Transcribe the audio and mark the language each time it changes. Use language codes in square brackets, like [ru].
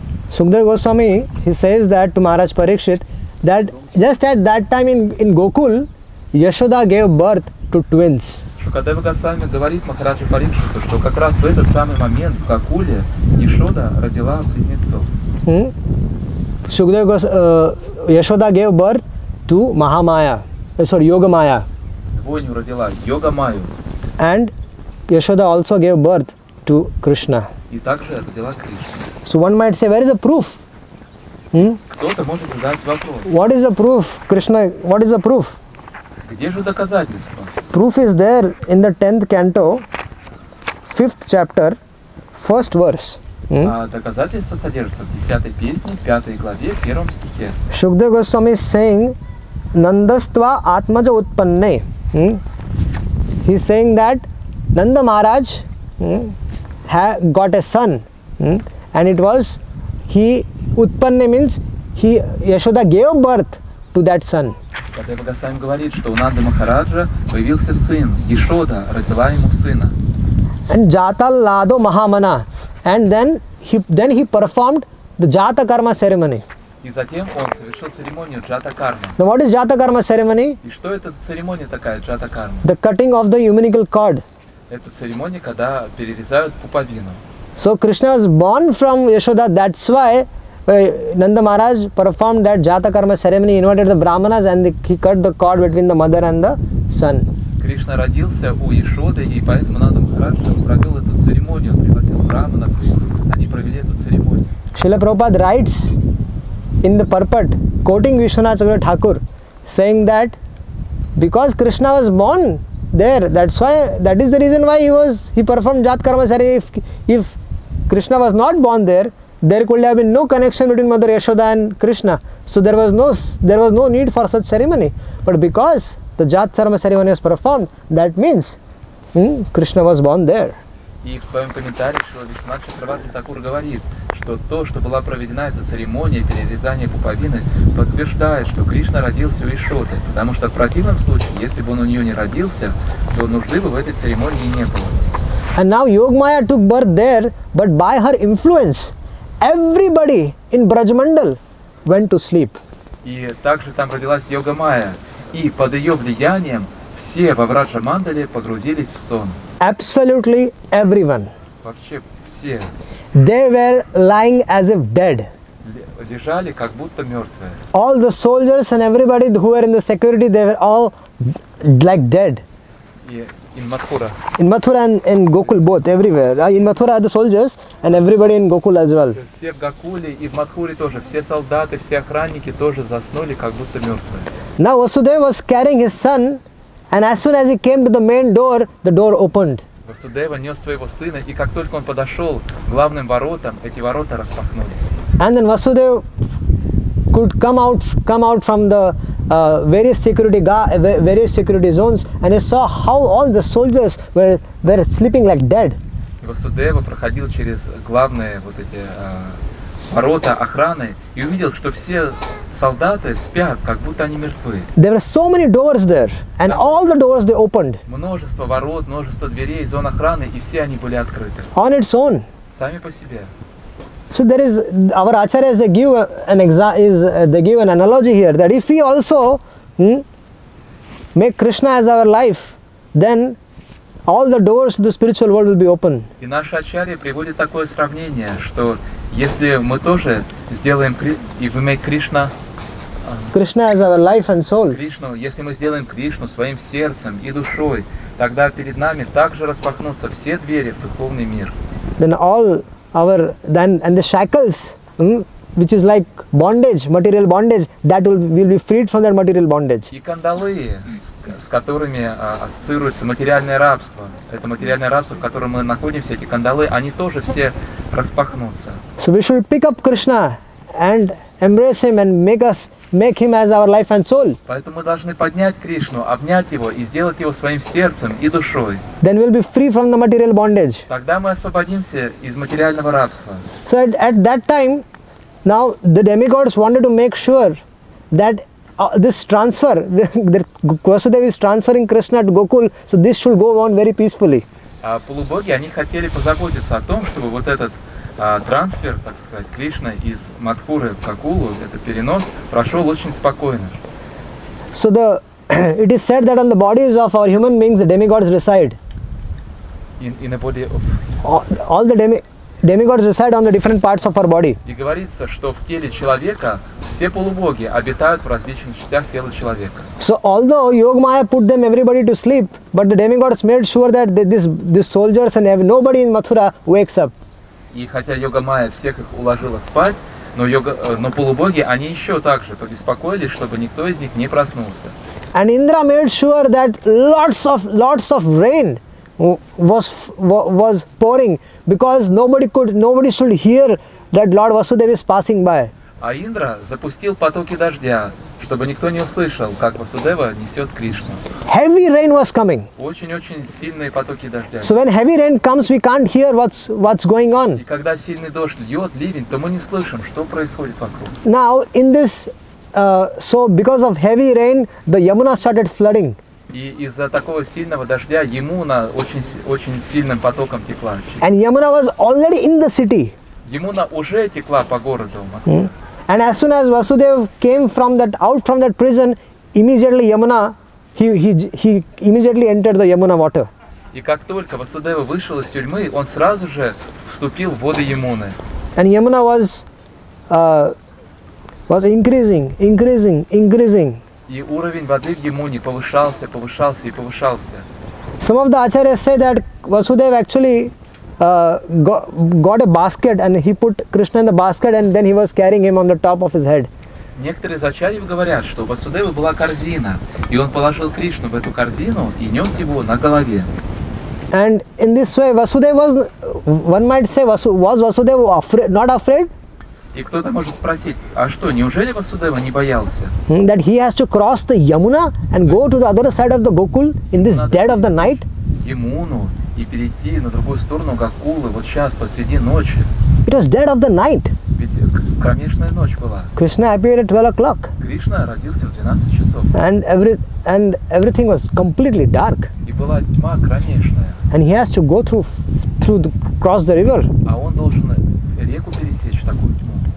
[en] Shukdev Goswami, he says that to Maharaj Parikshit that just at that time in Gokul, Yashoda gave birth to twins. [ru] Shukadeva Goswami говорит Махараджу Парикшиту, что как раз в этот самый момент в Гокуле Яшода родила близнецов. [en] Shukdev Goswami, Yashoda gave birth to Mahamaya, sorry, Yoga Maya. [ru] Двойню родила Yoga Maya. [en] And Yashoda also gave birth to Krishna. [ru] И также родила Кришна. [en] So one might say, where is the proof? [ru] Кто-то может задать вопрос. [en] What is the proof, Krishna? What is the proof? [ru] Где же доказательство? [en] Proof is there in the 10th canto, 5th chapter, 1st verse. [ru] Доказательство содержится в 10 песне, 5 главе, 1 стихе. [en] Shukdev Goswami is saying, [sa] Nandastva Atmaja Utpanne. [en] He is saying that Nanda Maharaj got a son, and it was he. Utpanne means he. Yashoda gave birth to that son. [ru] Кришна Госвами говорит, что у Нанды Махараджа появился сын. Яшода родила ему сына. [en] And [sa] jata lado mahamana, [en] and then he performed the jata karma ceremony. [ru] И затем он совершил церемонию джата карма. [en] Now what is jata karma ceremony? [ru] И что это за церемония такая джата карма? [en] The cutting of the umbilical cord. [ru] Это церемония, когда перерезают пуповину. [en] So Krishna was born from Yashoda. That's why Nanda Maharaj performed that jata karma ceremony, invited the brahmanas, and he cut the cord between the mother and the son. [ru] Кришна родился у Яшоды, и поэтому Нанда Махарадж провел эту церемонию. Он пригласил брахманов, и они провели эту церемонию. [en] Шрила Прабхупада writes in the purport, quoting Vishwanatha Chakravarti Thakur, saying that because Krishna was born there. That's why, that is the reason why he performed Jat Karmachari. If Krishna was not born there, there could have been no connection between Mother Yashoda and Krishna. So there was no need for such ceremony. But because the Jat Karma ceremony was performed, that means Krishna was born there. [ru] И в своем комментарии Шрила Вишванатха Чакраварти Такур говорит, что то, что была проведена эта церемония перерезания пуповины, подтверждает, что Кришна родился у Ишоды, потому что в противном случае, если бы он у нее не родился, то нужды бы в этой церемонии не было. [en] And now Yogmaya took birth there, but by her influence, everybody in Brajmandal went to sleep. [ru] И также там родилась Йогамая, и под ее влиянием все во Враджамандале погрузились в сон. [en] Absolutely everyone. [ru] Вообще все. [en] They were lying as if dead. [ru] Лежали как будто мертвые. [en] All the soldiers and everybody who were in the security, they were all like dead. In Mathura. In Mathura and in Gokul both, everywhere. In Mathura are the soldiers and everybody in Gokul as well. [ru] Все в Гокуле и в Матхуре тоже. Все солдаты, все охранники тоже заснули как будто мертвые. [en] Now Vasudev was carrying his son. And as soon as he came to the main door, the door opened. [ru] Васудева нес своего сына, и как только он подошел к главным воротам, эти ворота распахнулись. [en] And then Vasudeva could come out from the various security zones, and he saw how all the soldiers were sleeping like dead. [ru] Васудева проходил через главные вот эти ворота охраны и увидел, что все солдаты спят, как будто они мертвы. [en] There were so many doors there, and all the doors they opened. [ru] Множество ворот, множество дверей, зон охраны, и все они были открыты. [en] On its own. [ru] Сами по себе. [en] So there is our acharyas, they give an analogy here that if we also make Krishna as our life, then all the doors to the spiritual world will be open. [ru] И наши ачарьи приводят такое сравнение, что если мы тоже сделаем Кришна [en] as our life and soul. [ru] Кришну, если мы сделаем Кришну своим сердцем и душой, тогда перед нами также распахнутся все двери в духовный мир. [en] Then all our then and the shackles, which is like bondage, material bondage, that will be freed from that material bondage. [ru] И кандалы, с которыми ассоциируется материальное рабство, это материальное рабство, в котором мы находимся, эти кандалы, они тоже все распахнутся. [en] So we should pick up Krishna and embrace him and make him as our life and soul. [ru] Поэтому мы должны поднять Кришну, обнять его и сделать его своим сердцем и душой. [en] Then we'll be free from the material bondage. [ru] Тогда мы освободимся из материального рабства. [en] So at that time, now the demigods wanted to make sure that this transfer, that Vasudeva is transferring Krishna to Gokul, so this should go on very peacefully. [ru] Полубоги, они хотели позаботиться о том, чтобы вот этот трансфер, так сказать, Кришны из Матхуры в Гокулу, этот перенос, прошел очень спокойно. [en] So it is said that on the bodies of our human beings, the demigods reside. In the body of all the demigods reside on the different parts of our body. [ru] И говорится, что в теле человека все полубоги обитают в различных частях тела человека. [en] So although Yogmaya put them everybody to sleep, but the demigods made sure that these soldiers and nobody in Mathura wakes up. [ru] И хотя Йогамая всех их уложила спать, но полубоги они еще также побеспокоились, чтобы никто из них не проснулся. [en] And Indra made sure that lots of rain was pouring, because nobody should hear that Lord Vasudeva is passing by. [ru] А Индра запустил потоки дождя, чтобы никто не услышал, как Васудева несет Кришну. [en] Heavy rain was coming. [ru] Очень-очень сильные потоки дождя. [en] So when heavy rain comes, we can't hear what's going on. [ru] И когда сильный дождь льет, ливень, то мы не слышим, что происходит вокруг. [en] Now in this, so because of heavy rain, the Yamuna started flooding. [ru] И из-за такого сильного дождя Ямуна очень-очень сильным потоком текла. [en] And Yamuna was already in the city. [ru] Ямуна уже текла по городу. [en] And as soon as Vasudev came out from that prison, immediately Yamuna, he immediately entered the Yamuna water. [ru] И как только Васудева вышел из тюрьмы, он сразу же вступил в воды Ямуны. [en] And Yamuna was increasing. [ru] И уровень воды в Ямуне повышался, повышался и повышался. [en] Some of the acharyas say that Vasudev actually got a basket and he put Krishna in the basket and then he was carrying him on the top of his head. [ru] Некоторые из ачарьев говорят, что у Васудевы была корзина, и он положил Кришну в эту корзину и нес его на голове. [en] And in this way, Vasudeva was, one might say, was Vasudeva afraid, not afraid? [ru] И кто-то может спросить, а что, неужели Васудева не боялся? [en] That he has to cross the Yamuna and go to the other side of the Gokul in this dead of the night? [ru] Yamuna и перейти на другую сторону Гокулы вот сейчас посреди ночи. [en] It was dead of the night. [ru] Ведь кромешная ночь была. [en] Krishna appeared at 12 o'clock. [ru] Кришна родился в 12 часов. [en] And everything was completely dark. [ru] И была тьма кромешная. [en] And he has to go cross the river. [ru] А он должен реку пересечь такую тьму.